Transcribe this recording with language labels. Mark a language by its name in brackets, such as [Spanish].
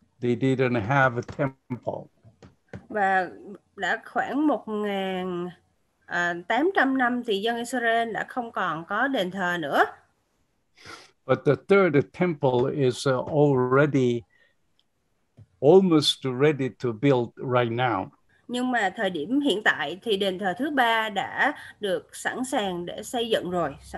[English] they didn't have a temple. [Vietnamese] Và đã khoảng 1800 năm thì dân Israel đã không còn có đền thờ nữa. [English] But the third temple is already almost ready to build right now. [Vietnamese] Nhưng mà thời điểm hiện tại thì đền thờ thứ ba đã được sẵn sàng để xây dựng rồi,